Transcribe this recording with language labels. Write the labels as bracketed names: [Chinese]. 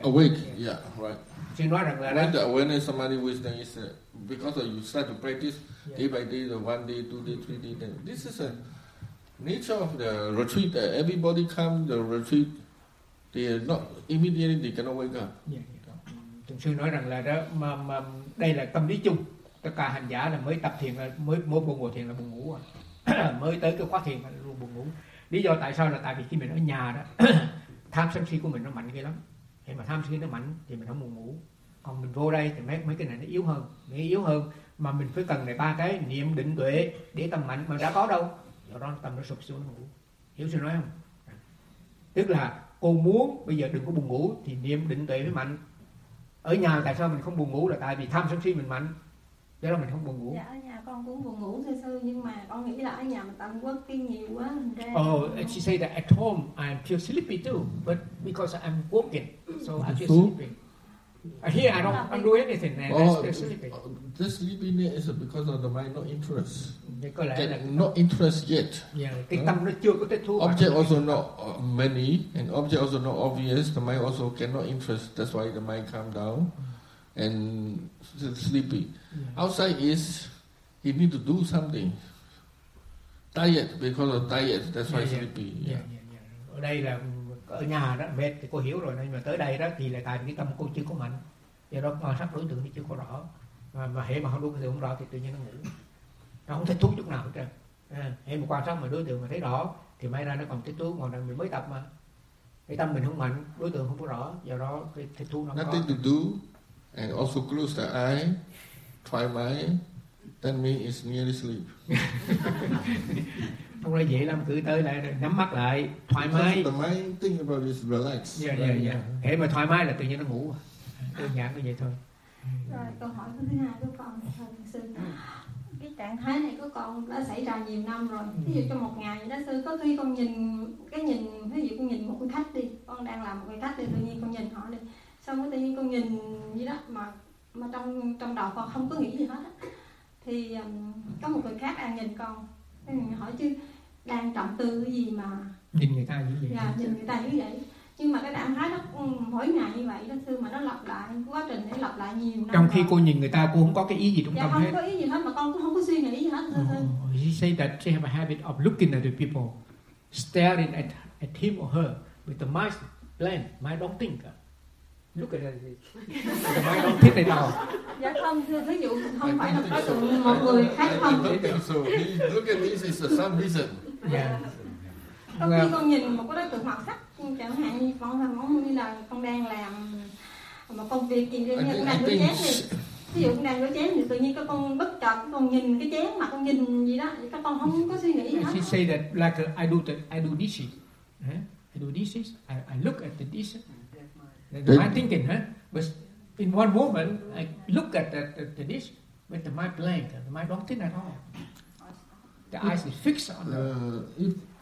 [English] Awake, yeah, right. So you know that, right? When the samadhi wisdom is because you start to practice yeah. day by day, the 1 day, 2 day, 3 day. Then this is a nature of the retreat. That everybody come the retreat, they are not immediately they cannot wake up. Yeah, yeah. [Vietnamese] Thường sư nói rằng là đó, mà đây là tâm lý chung. Tất cả hành giả là mới tập thiền, mới mới buồn ngủ thiền là buồn ngủ, mới tới cái khóa thiền là luôn buồn ngủ. Lý do tại sao là tại vì khi mình ở nhà đó, tham sân si của mình nó mạnh ghê lắm. Khi mà tham si nó mạnh thì mình không buồn ngủ. Còn mình vô đây thì mấy cái này nó yếu hơn, nó yếu hơn. Mà mình phải cần này ba cái niệm định tuệ để tâm mạnh mà đã có đâu. Do đó tâm nó sụp xuống ngủ. Hiểu sư nói không? Tức là cô muốn bây giờ đừng có buồn ngủ thì niệm định tuệ mới mạnh. Ở nhà tại sao mình không buồn ngủ là tại vì tham sân si mình mạnh. Thế là mình không buồn ngủ. Dạ, ở nhà con cũng buồn ngủ thưa sư, nhưng mà con nghĩ là ở nhà mình tâm quốc kinh nhiều quá. [English] Oh, she say that at home I'm feel sleepy too, but because I'm working, so I feel sleepy. Here I don't do anything. This sleepiness is because of the mind, not interest. Not interest yet. Yeah. Object also not many, and object also not obvious. The mind also cannot interest. That's why the mind calm down and sleepy. Yeah. Outside is he need to do something. Tired because of tired. That's why sleepy. Yeah. [Vietnamese] Ở nhà đó mệt thì cô hiểu rồi, nhưng mà tới đây đó thì lại tại cái tâm cô chưa có mạnh, do đó quan sát đối tượng thì chưa có rõ, mà hễ mà không đúng thì không rõ thì tự nhiên nó ngủ, nó không thích thú chút nào hết trơn. Hễ mà quan sát mà đối tượng mà thấy rõ thì may ra nó còn thích thú, còn là mình mới tập mà cái tâm mình không mạnh, đối tượng không có rõ, do đó cái thích thú nó không có. [English] Nothing to do and also close the eye, try my, that means it's nearly sleep. [Vietnamese] Không nói dễ lắm, cứ tới lại nhắm mắt lại thoải mái. [English] The mind think about this, relax. Yeah, yeah, yeah. [Vietnamese] Thế mà thoải mái là tự nhiên nó ngủ, đơn giản như vậy thôi. Rồi câu hỏi thứ hai của con thầy sư, cái trạng thái này của con đã xảy ra nhiều năm rồi. Ví dụ trong một ngày đó sư, có khi con nhìn cái nhìn, ví dụ con nhìn một người khách đi, con đang làm một người khách thì tự nhiên con nhìn họ đi, xong cái tự nhiên con nhìn như đó mà trong đầu con không có nghĩ gì hết. Thì có một người khác đang nhìn con, hỏi chứ đang trọng tư cái gì mà nhìn người ta như vậy. Dạ, nhìn người ta như vậy. Nhưng mà cái trạng thái đó mỗi ngày như vậy đó sư, mà nó lặp lại, quá trình để lặp lại nhiều năm. Trong khi cô nhìn người ta, cô không có cái ý gì trong dạ, tâm không hết. Không có ý gì hết, mà con cũng không có suy nghĩ gì hết. [English] She say that she have a habit of looking at the people, staring at him or her with the mind blank, mind don't think. Look at it. [Vietnamese] Thích thầy nào? Dạ không, thưa thí dụ không phải là có tượng một người khác không. [English] Look at this is some reason. Yeah. [Vietnamese] Khi con nhìn một cái đối tượng màu sắc, chẳng hạn như con làm món như là con đang làm một công việc gì đó, như con đang rửa chén thì, thí dụ con đang rửa chén thì tự nhiên các con bất chợt con nhìn cái chén mà con nhìn gì đó, các con không có suy nghĩ hết. [English] She say that like I do dishes, I do dishes, I look at the dishes. The mind thinking, huh? But in one moment, I look at the dish, but the mind blank, the mind don't think at all. The eyes is fixed on the...